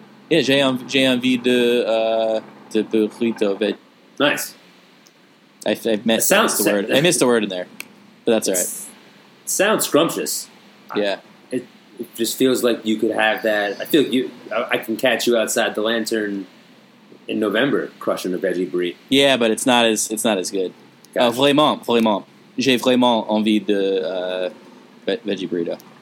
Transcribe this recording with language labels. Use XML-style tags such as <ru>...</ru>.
<fr>Yeah, j'ai envie de burrito.</fr> <en>Nice. I missed the word in there, but that's all right. Sounds scrumptious. Yeah. It just feels like you could have that. I feel like I can catch you outside the lantern in November, crushing a veggie brie. Yeah, but it's not as good. Gotcha. Vraiment.</en> <fr>J'ai vraiment envie de veggie burrito.</fr>